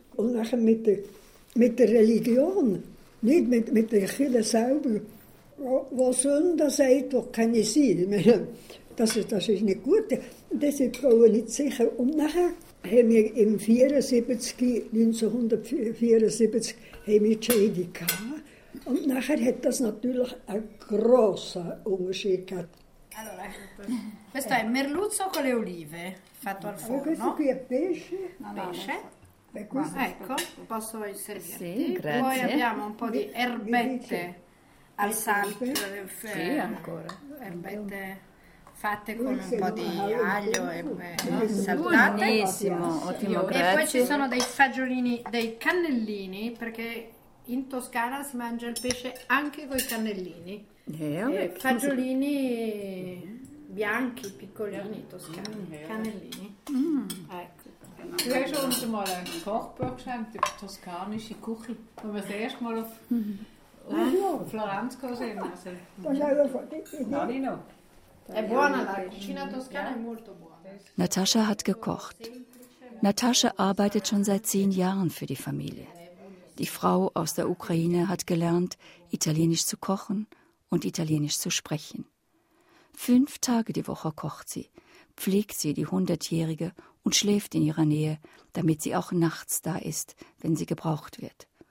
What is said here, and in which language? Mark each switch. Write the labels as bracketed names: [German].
[German] Und dann mit der Religion, nicht mit der Kirche selber, wo Sünde sagt, wo keine sein. Das ist nicht gut. Das sind die Frauen nicht sicher. Und dann haben wir im 1974 haben wir die Scheidung gehabt. Und nachher hat das natürlich einen grossen Unterschied gehabt. [Italian] Allora, questo è merluzzo con le olive, fatto al forno. Questo qui è pesce. Pesce. Ecco, posso inserirti. Sì, grazie. Poi abbiamo un po' di erbette al sale. Sì, ancora. Erbette fatte con un po' di aglio saltate. Buonissimo, ottimo, grazie. E poi ci sono dei fagiolini, dei cannellini, perché in Toscana si mangia il pesce anche con i cannellini. Fagiolini bianchi, piccolini, toscani, cannellini. Ecco. [German] Du hast uns mal ein Kochbuch geschenkt über toskanische Küche, wo wir das erste Mal auf Florenz gekommen sind. Also, das ist auch Nein. [Italian] È buona la cucina toscana, è molto buona. [German] Natascha hat gekocht. Natascha arbeitet schon seit 10 Jahren für die Familie. Die Frau aus der Ukraine hat gelernt, Italienisch zu kochen und Italienisch zu sprechen. 5 Tage die Woche kocht sie, pflegt sie die 100-Jährige und schläft in ihrer Nähe, damit sie auch nachts da ist, wenn sie gebraucht wird.